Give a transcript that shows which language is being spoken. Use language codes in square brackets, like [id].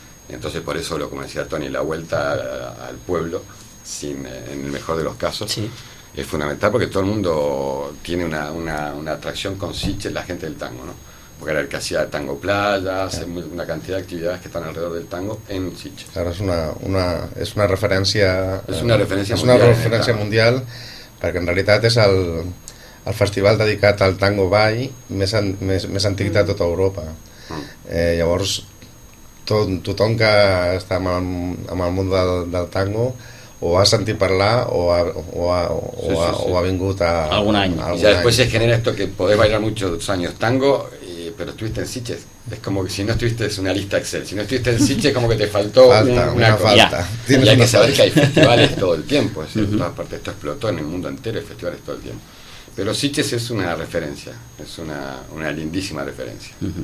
[es] Entonces, por eso, como decía Tony, la vuelta al pueblo, en el mejor de los casos, sí. Es fundamental porque todo el mundo tiene una atracción con Sitges, la gente del tango, ¿no? Porque era el que hacía tango playa, hace una cantidad de actividades que están alrededor del tango en Sitges. Claro, es una referencia. Es una referencia mundial, [ca] perquè en realitat és el festival dedicat al tango ball més antic de tota Europa. Llavors, tothom que està amb el món del tango o ha sentit parlar o ha vingut a... Algun any. [es] Y después se genera esto que podés bailar muchos años tango, pero estuviste en Sitges. Es como que si no estuviste, es una lista Excel. Si no estuviste en Sitges, como que te faltó una falta. Y hay que saber que hay festivales todo el tiempo. Es decir, en todas partes, esto explotó en el mundo entero, hay festivales todo el tiempo. Pero Sitges es una referencia, es una lindísima referencia.